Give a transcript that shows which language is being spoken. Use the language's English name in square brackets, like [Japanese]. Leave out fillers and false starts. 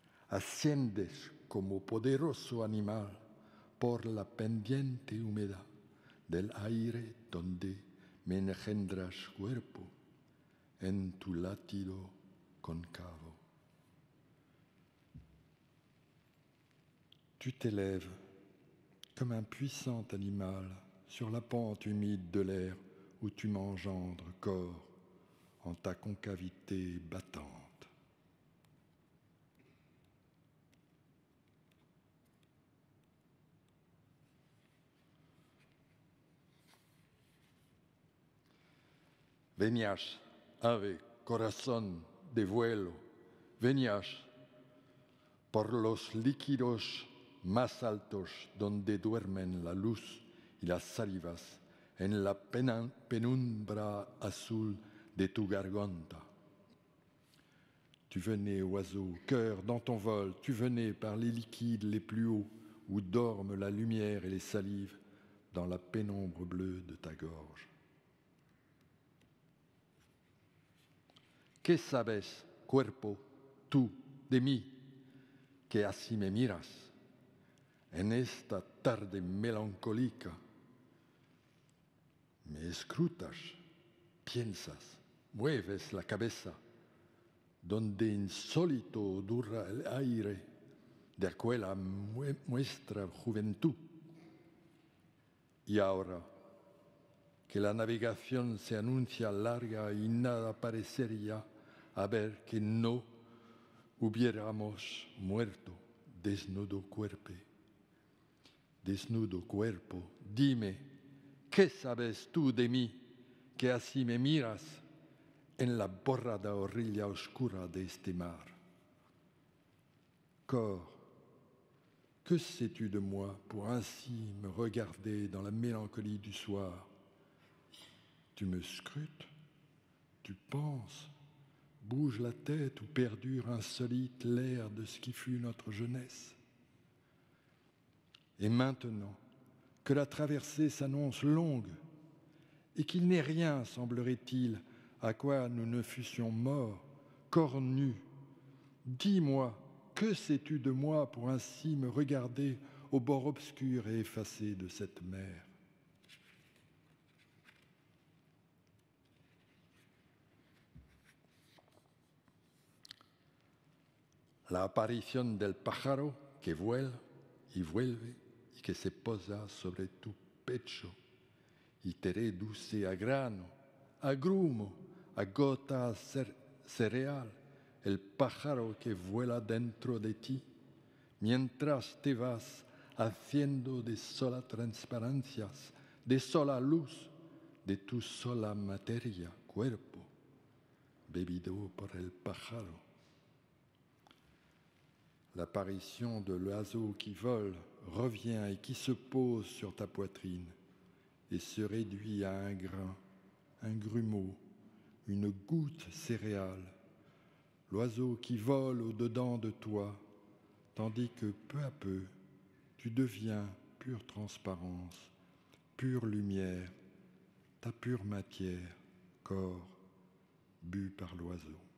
[Spanish] Asciendes como poderoso animal por la pendiente húmeda del aire donde me engendras cuerpo en tu latido concavo. [French] Tu t'élèves comme un puissant animal sur la pente humide de l'air où tu m'engendres corps en ta concavité battante. [Spanish] Venias, ave, corazón de vuelo, venias por los líquidos más altos donde duermen la luz y las salivas en la penumbra azul de tu garganta. [French] Tu venais, oiseau, cœur, dans ton vol, tu venais par les liquides les plus hauts où dorment la lumière et les salives dans la pénombre bleue de ta gorge. [Spanish] Que sabes, cuerpo, tú, de mí, que así me miras en esta tarde melancólica? Me escrutas, piensas, mueves la cabeza, donde insólito dura el aire de aquella muestra juventud. Y ahora que la navegación se anuncia larga y nada parecería haber que no hubiéramos muerto, desnudo cuerpo, dime, ¿qué sabes tú de mí que así me miras en la borrada orilla oscura de este mar? [French] Corps, que sais-tu de moi pour ainsi me regarder dans la mélancolie du soir? Tu me scrutes, tu penses, bouge la tête ou perdure insolite l'air de ce qui fut notre jeunesse. Et maintenant, que la traversée s'annonce longue et qu'il n'est rien, semblerait-il, à quoi nous ne fussions morts, corps nus. Dis-moi, que sais-tu de moi pour ainsi me regarder au bord obscur et effacé de cette mer ? [Spanish] La aparición del pájaro que vuela y vuelve y que se posa sobre tu pecho y te reduce a grano, a grumo, a gota cereal, el pájaro que vuela dentro de ti, mientras te vas haciendo de sola transparencias, de sola luz, de tu sola materia, cuerpo, bebido por el pájaro. [French] L'apparition de l'oiseau qui vole revient et qui se pose sur ta poitrine et se réduit à un grain, un grumeau, une goutte céréale. L'oiseau qui vole au-dedans de toi, tandis que peu à peu, tu deviens pure transparence, pure lumière, ta pure matière, corps, bu par l'oiseau.